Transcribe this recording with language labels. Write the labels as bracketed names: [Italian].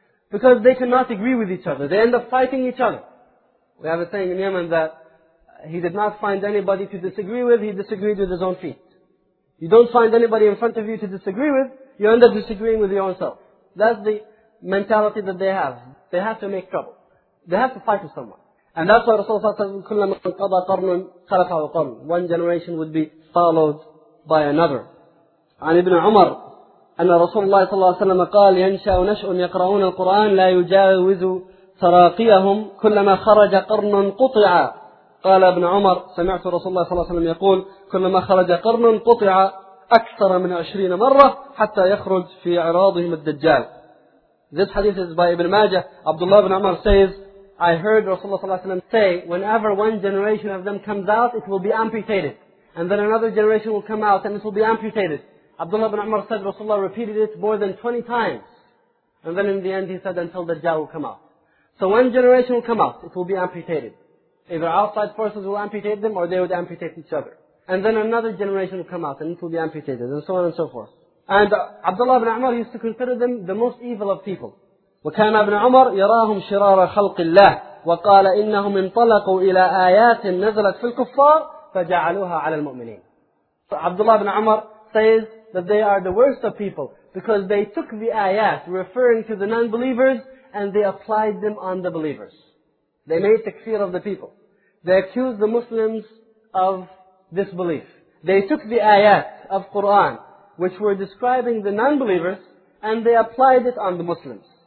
[English] Because they cannot agree with each other. They end up fighting each other. We have a saying in Yemen that he did not find anybody to disagree with, he disagreed with his own feet. You don't find anybody in front of you to disagree with, you end up disagreeing with your own self. That's the mentality that they have. They have to make trouble. They have to fight with someone. And that's why Rasulullah said, [Arabic] كُلَّ مَنْ قَضَى قَرْنٌ خَلَفَهُ قَرْنٌ. [English] One generation would be followed by another. [Arabic] عن ابن عمر أن رسول الله صلى الله عليه وسلم قال ينشأ نشأ يقرؤون القرآن لا يجاوز سراقيهم كلما خرج قرن قطع. قال ابن عمر سمعت رسول الله صلى الله عليه وسلم يقول كلما خرج قرن قطع أكثر من 20 مرة حتى يخرج في عراضهم الدجال. [English] This hadith is by Ibn Majah. Abdullah ibn Umar says, I heard Rasulullah صلى الله عليه وسلم say, whenever one generation of them comes out, it will be amputated. And then another generation will come out and it will be amputated. Abdullah ibn Umar said, Rasulullah repeated it more than 20 times. And then in the end he said, until the Dajjal will come out. So one generation will come out, it will be amputated. Either outside forces will amputate them or they would amputate each other. And then another generation will come out and it will be amputated and so on and so forth. And Abdullah ibn Umar used to consider them the most evil of people. [Arabic] وكان ابن عمر يراهم شرار خلق الله وقال إنهم انطلقوا إلى آيات نزلت في الكفار فجعلوها على المؤمنين. [English] So Abdullah ibn Umar says that they are the worst of people because they took the ayat referring to the non-believers and they applied them on the believers. They made takfir of the people. They accused the Muslims of disbelief. They took the ayat of Quran which were describing the non-believers and they applied it on the Muslims.